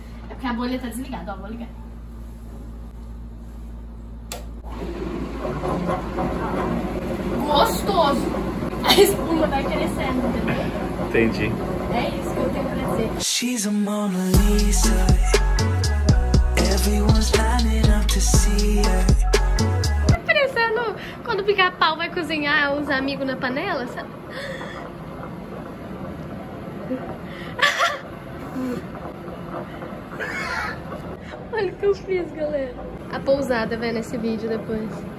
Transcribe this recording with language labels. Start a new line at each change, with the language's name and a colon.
Portuguese: É porque a bolha tá desligada, ó, vou ligar. Gostoso! A espuma vai crescendo, entendeu? Entendi. É isso que eu tenho pra dizer.
English: She's a Mona Lisa. Everyone's lining up to see her.
Portuguese: Tá parecendo quando o pica-pau vai cozinhar os amigos na panela, sabe? Olha o que eu fiz, galera. A pousada vai nesse vídeo depois.